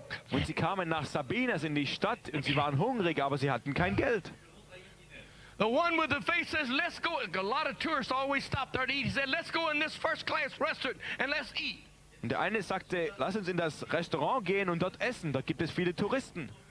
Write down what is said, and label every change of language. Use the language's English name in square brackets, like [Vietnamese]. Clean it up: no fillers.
[German] Und sie kamen nach Sabinas in die Stadt und sie waren hungrig, aber sie hatten kein Geld. [English] The one with the faith says, "Let's go." A lot of tourists always stop there to eat. He said, "Let's go in this first-class restaurant and let's eat." [German] Und der eine sagte, lass uns in das Restaurant gehen und dort essen, da gibt es viele Touristen.